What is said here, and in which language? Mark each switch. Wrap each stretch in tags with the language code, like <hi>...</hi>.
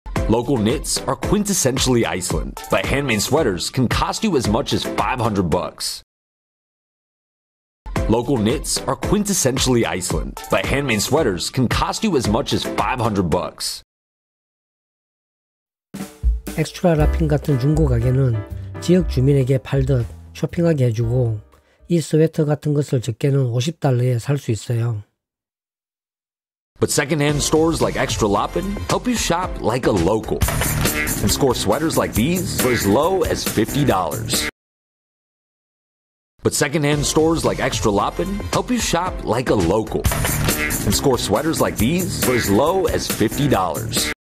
<en>Local knits are quintessentially Iceland, but handmade sweaters can cost you as much as $500. Local knits are quintessentially Iceland, but handmade sweaters can cost you as much as $500.</en> <ko>엑스트라 라핀 같은 중고 가게는 지역 주민에게 팔듯 쇼핑하게 해주고 이 스웨터 같은 것을 적게는 $50에 살 수 있어요.</ko> <en>But secondhand stores like Extra Lapin help you shop like a local and score sweaters like these for as low as $50. But secondhand stores like Extra Lapin help you shop like a local and score sweaters like these for as low as $50.</en>